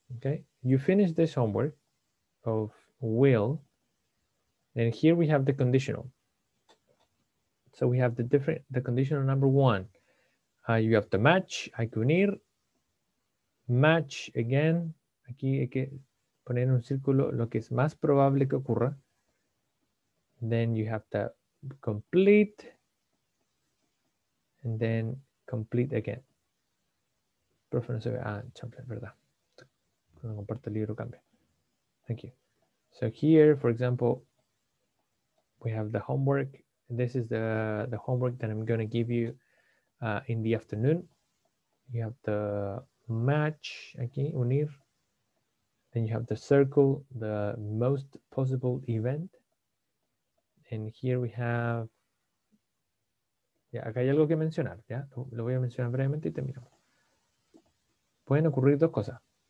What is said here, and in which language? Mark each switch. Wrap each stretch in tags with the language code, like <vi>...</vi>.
<en>Okay, you finish this homework of will, and here we have the conditional. So we have the conditional number 1. You have to match,</en> <es>hay que unir,</es> <en>match again.</en> <es>Aquí hay que poner un círculo, lo que es más probable que ocurra.</es> <en>Then you have to complete, and then complete again.</en> <es>Profe, no se ve, champion, verdad. Cuando comparto el libro cambia.</es> <en>Thank you. So here, for example, we have the homework. This is the homework that I'm going to give you in the afternoon. You have the match</en> <es>aquí, unir.</es> <en>Then you have the circle, the most possible event. And here we have.</en> <es>Yeah, acá hay algo que mencionar. Yeah, lo voy a mencionar brevemente y terminamos. Pueden ocurrir dos cosas.</es>